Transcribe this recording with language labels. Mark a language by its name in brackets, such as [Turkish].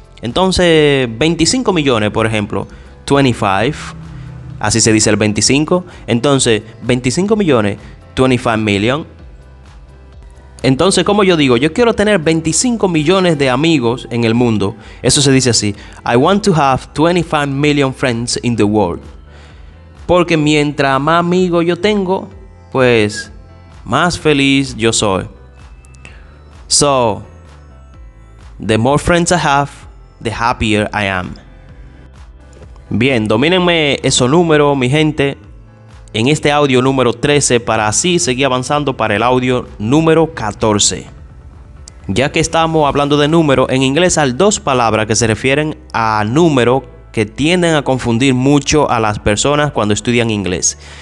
[Spanish] Entonces 25 millones, por ejemplo, 25, así se dice el 25. Entonces 25 millones, [English] 25 million. [Spanish] Entonces, ¿cómo yo digo? Yo quiero tener 25 millones de amigos en el mundo. Eso se dice así. [English] I want to have 25 million friends in the world. [Spanish] Porque mientras más amigos yo tengo, pues más feliz yo soy. [English] So, the more friends I have, the happier I am. [Spanish] Bien, domínenme esos números, mi gente. En este audio número 13, para así seguir avanzando para el audio número 14. Ya que estamos hablando de número, en inglés hay dos palabras que se refieren a número que tienden a confundir mucho a las personas cuando estudian inglés.